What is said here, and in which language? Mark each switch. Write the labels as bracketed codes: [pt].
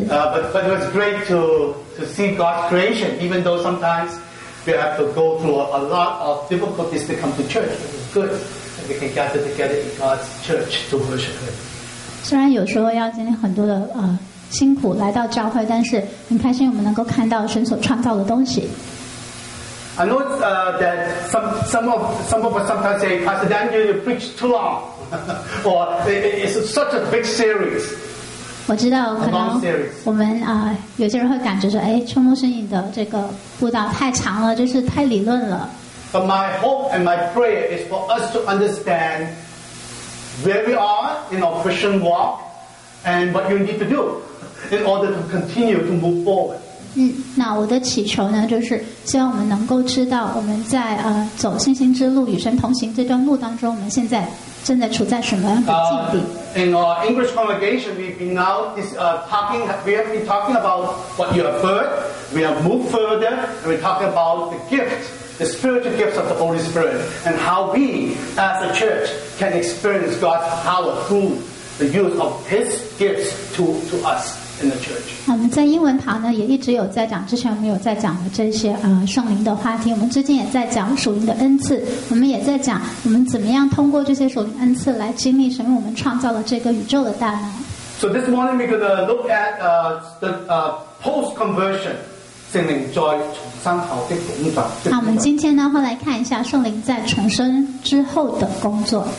[en] But it was great to see God's creation, even though sometimes. We have to go through a lot of difficulties to come to church. It's good that we can gather together in God's church to worship Him. [zh] 虽然有时候要经历很多的辛苦来到教会，但是很开心我们能够看到神所创造的东西。 [en] I know that some of us sometimes say, Pastor Daniel, you preach too long, or it's such a big series. [zh] 我知道可能我们有些人会感觉说哎，春牧师你的这个布道太长了就是太理论了 [en] But my hope and my prayer is for us to understand where we are in our Christian walk and what you need to do in order to continue to move forward [zh] 那我的祈求呢就是希望我们能够知道我们在走信心之路与神同行这段路当中我们现在正在处在什么样的境地 [en] In our English congregation, we've been now talking about what you have heard. We have moved further, and we're talking about the gift, the spiritual gifts of the Holy Spirit, and how we, as a church, can experience God's power through the use of His gifts to us in the church. [zh] 我们在英文堂呢也一直有在讲，之前我们有在讲的这些圣灵的话题。我们最近也在讲属灵的恩赐，我们也在讲我们怎么样通过这些属灵恩赐来经历神为我们创造了这个宇宙的大能。 [en] So this morning we're going to look at post-conversion [zh] 圣灵在重生后的工作。那我们今天呢会来看一下圣灵在重生之后的工作。